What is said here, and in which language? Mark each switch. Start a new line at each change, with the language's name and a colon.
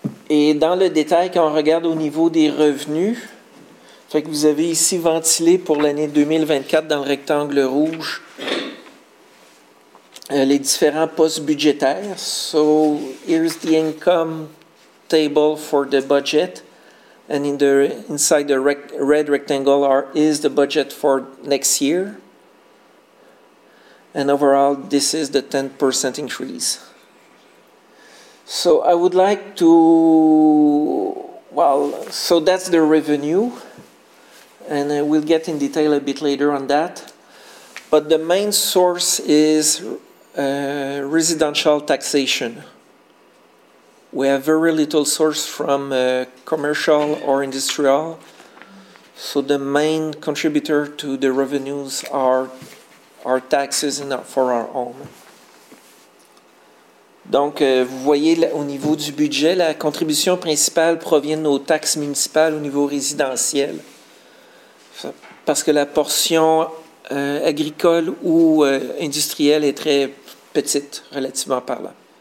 French: Et dans le détail, quand on regarde au niveau des revenus, fait que vous avez ici ventilé pour l'année 2024 dans le rectangle rouge, les différents postes budgétaires.
English: So, here's the income table for the budget. And in the inside the red rectangle is the budget for next year. And overall, this is the 10% increase. So, I would like to... Well, so that's the revenue. And we'll get in detail a bit later on that. But the main source is... residential taxation. We have very little source from commercial or industrial, so the main contributor to the revenues are our taxes and not for our home.
French: Donc, vous voyez là, au niveau du budget, la contribution principale provient de nos taxes municipales au niveau résidentiel, parce que la portion agricole ou industrielle est très petite, relativement parlant.